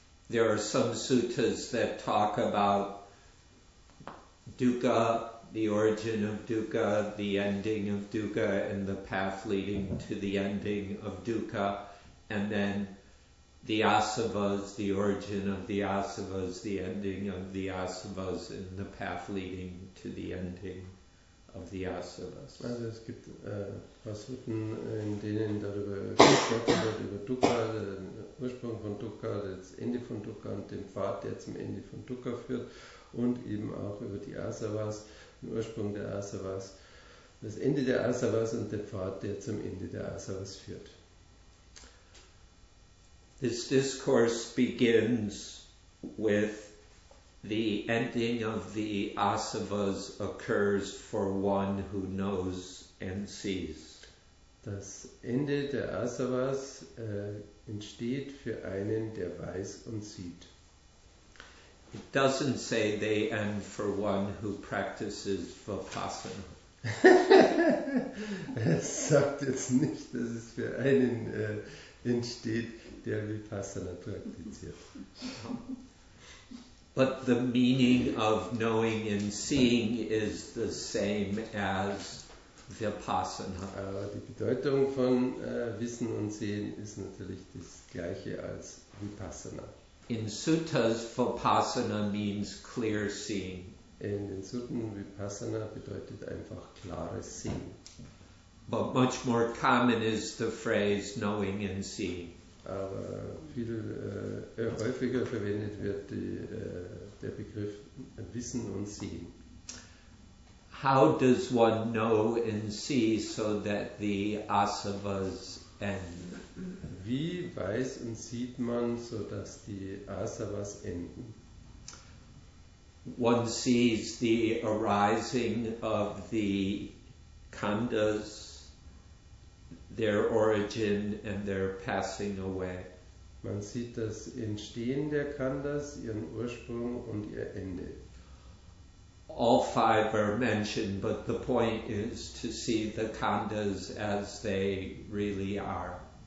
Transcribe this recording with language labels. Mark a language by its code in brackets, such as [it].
[en] There are some suttas that talk about dukkha, the origin of dukkha, the ending of dukkha, and the path leading to the ending of dukkha, and then the asavas, the origin of the asavas, the ending of the asavas, and the path leading to the ending of the asavas. [de] Also es gibt Passuten, in denen darüber gesprochen wird, über Dukkha, den Ursprung von Dukkha, das Ende von Dukkha und den Pfad, der zum Ende von Dukkha führt, und eben auch über die Asavas, den Ursprung der Asavas, das Ende der Asavas und der Pfad, der zum Ende der Asavas führt. [en] This discourse begins with the ending of the asavas occurs for one who knows and sees. [de] Das Ende der Asavas entsteht für einen, der weiß und sieht. [en] It doesn't say they end for one who practices vipassana. [de] Es sagt jetzt nicht, dass es für einen entsteht, der Vipassana praktiziert. [en] But the meaning of knowing and seeing is the same as Vipassana. [de] Aber die Bedeutung von Wissen und Sehen ist natürlich das gleiche als Vipassana. [en] In Suttas, Vipassana means clear seeing. [de] In den Sutten, Vipassana bedeutet einfach klares Sehen. [en] But much more common is the phrase knowing and seeing. [de] Aber viel häufiger verwendet wird der Begriff Wissen und Sehen. [en] How does one know and see so that the asavas end? [de] Wie weiß und sieht man, so dass die Asavas enden? [en] One sees the arising of the khandhas, their origin and their passing away. [de] Man sieht das Entstehen der Khandhas, ihren Ursprung und ihr Ende. [en] All five are mentioned, but the point is to see the khandhas as they really are.